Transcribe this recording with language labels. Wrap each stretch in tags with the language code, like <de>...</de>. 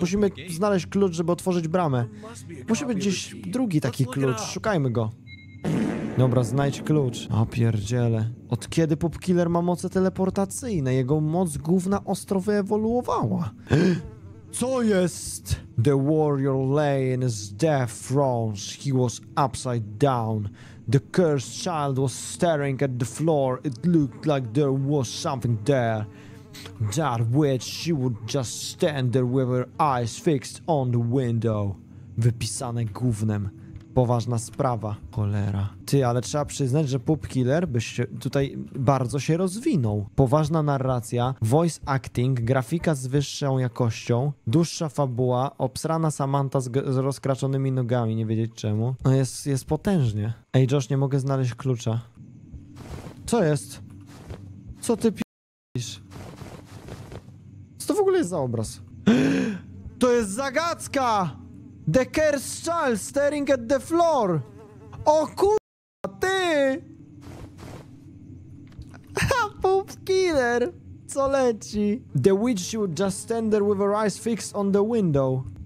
<pl>Musimy znaleźć klucz, żeby otworzyć bramę. Musi być gdzieś drugi taki klucz. Szukajmy go. Dobra, znajdź klucz. O pierdziele. Od kiedy Pupkiller ma moce teleportacyjne? Jego moc gówna ostro wyewoluowała. Co jest?</pl> <en>The warrior lay in his death throes. He was upside down. The cursed child was staring at the floor. It looked like there was something there. That witch, she would just stand there with her eyes fixed on the window.</en> <pl>Wypisane gównem. Poważna sprawa. Cholera. Ty, ale trzeba przyznać, że Pupkiller by się tutaj bardzo się rozwinął. Poważna narracja, voice acting, grafika z wyższą jakością, dłuższa fabuła, obsrana Samantha z rozkraczonymi nogami, nie wiedzieć czemu. No jest potężnie. Ej, Josh, nie mogę znaleźć klucza. Co jest? Co ty p***isz? Co to w ogóle jest za obraz? To jest zagadka!</pl> <en>The cursed child staring at the floor!</en> <pl>O kurwa, ty!</pl> <en>Ha, Pupkiller!</en> <pl>Co leci?</pl> <en>The witch should just stand there with her eyes fixed on the window.</en>